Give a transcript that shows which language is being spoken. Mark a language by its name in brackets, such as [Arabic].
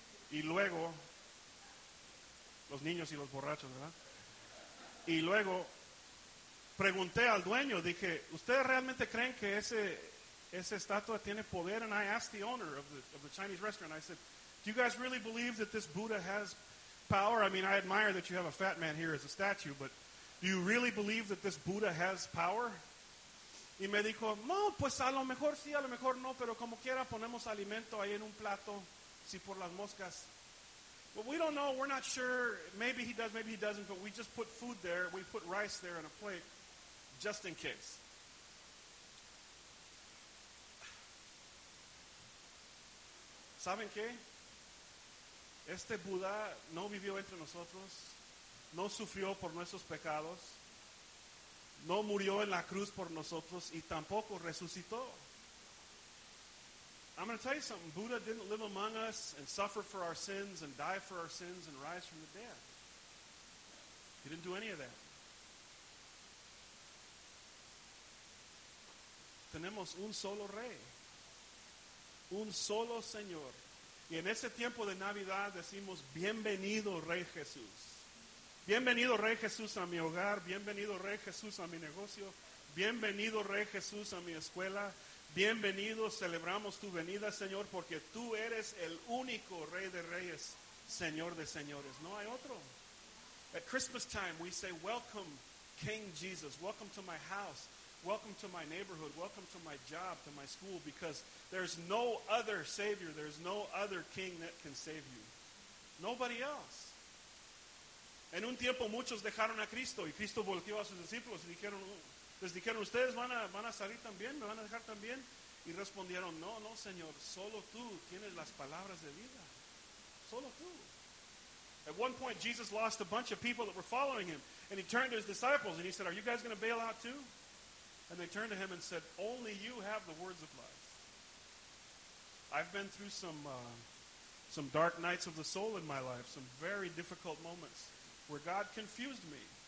[Spanish] Y luego, los niños y los borrachos, ¿verdad? Y luego... pregunté al dueño, dije, ¿ustedes realmente creen que ese estatua tiene poder? [English] And I asked the owner of the Chinese restaurant, I said, do you guys really believe that this Buddha has power? I mean, I admire that you have a fat man here as a statue, but do you really believe that this Buddha has power? [Spanish] Y me dijo, no, pues a lo mejor sí, a lo mejor no, pero como quiera ponemos alimento ahí en un plato, si por las moscas. [English] But we don't know, we're not sure, maybe he does, maybe he doesn't, but we just put food there, we put rice there on a plate, just in case. [Spanish] ¿Saben qué? Este Buda no vivió entre nosotros, no sufrió por nuestros pecados, no murió en la cruz por nosotros, y tampoco resucitó. [English] I'm going to tell you something. Buddha didn't live among us and suffer for our sins and die for our sins and rise from the dead. He didn't do any of that. [Spanish] Tenemos un solo rey. Un solo Señor. Y en ese tiempo de Navidad decimos, bienvenido, Rey Jesús. Bienvenido, Rey Jesús, a mi hogar. Bienvenido, Rey Jesús, a mi negocio. Bienvenido, Rey Jesús, a mi escuela. Bienvenido, celebramos tu venida, Señor, porque tú eres el único Rey de Reyes, Señor de Señores. No hay otro. [English] At Christmas time, we say, welcome, King Jesus. Welcome to my house. Welcome to my neighborhood. Welcome to my job, to my school, because there's no other Savior. There's no other King that can save you. Nobody else. [Spanish] En un tiempo, muchos dejaron a Cristo, y Cristo volteó a sus discípulos y dijeron, les dijeron, ¿ustedes van a salir también? ¿Me van a dejar también? Y respondieron, no, no, Señor, solo tú tienes las palabras de vida. Solo tú. [English] At one point, Jesus lost a bunch of people that were following him. And he turned to his disciples and he said, are you guys going to bail out too? And they turned to him and said, only you have the words of life. I've been through some dark nights of the soul in my life, some very difficult moments where God confused me.